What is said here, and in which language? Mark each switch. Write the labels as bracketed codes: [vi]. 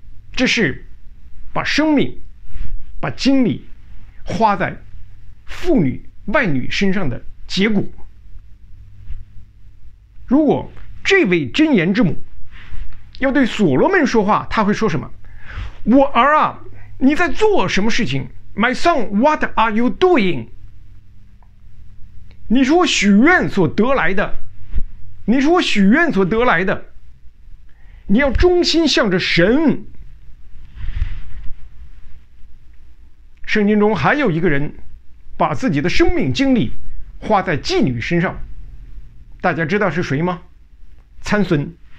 [zh] 这是把生命把精力花在妇女外女身上的结果。如果这位箴言之母要对所罗门说话，他会说什么？我儿啊，你在做什么事情？ [en] My son, what are you doing? [zh] 你是我许愿所得来的，你是我许愿所得来的，你要忠心向着神。圣经中还有一个人把自己的生命精力花在妓女身上，大家知道是谁吗？参孙。